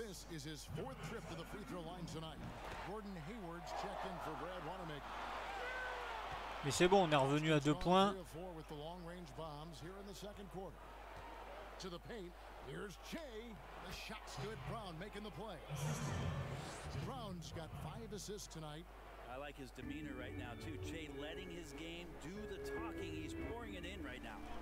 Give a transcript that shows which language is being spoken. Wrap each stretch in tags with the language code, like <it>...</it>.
<en>Is his fourth trip to the free throw line tonight. Gordon Hayward's check in for Brad Wanamaker.</en> <fr>Mais c'est bon, on est revenu à deux points.</fr> <en>With the long range bombs here in the second quarter. To the paint, here's Che. The shot's good. Brown making the play. Brown's got five assists tonight. I like his demeanor right now too. Che letting his game do the talking. He's pouring it in right now.</en>